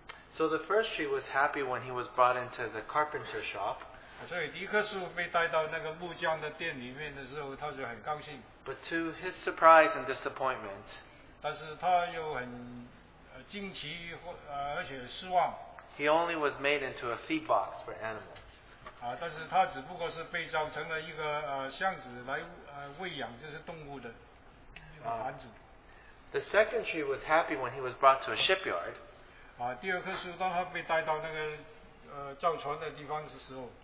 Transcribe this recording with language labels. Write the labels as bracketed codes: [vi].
[en] So the first tree was happy when he was brought into the carpenter shop. [zh] 所以第一棵树被带到那个木匠的店里面的时候，他就很高兴。 [en] But to his surprise and disappointment, [zh] 但是他又很惊奇，而且失望。 [en] He only was made into a feed box for animals. [zh] 但是他只不过是被造成了一个箱子来喂养这些动物的。 [en] The second tree was happy when he was brought to a shipyard. [zh] 第二棵树当他被带到那个造船的地方的时候。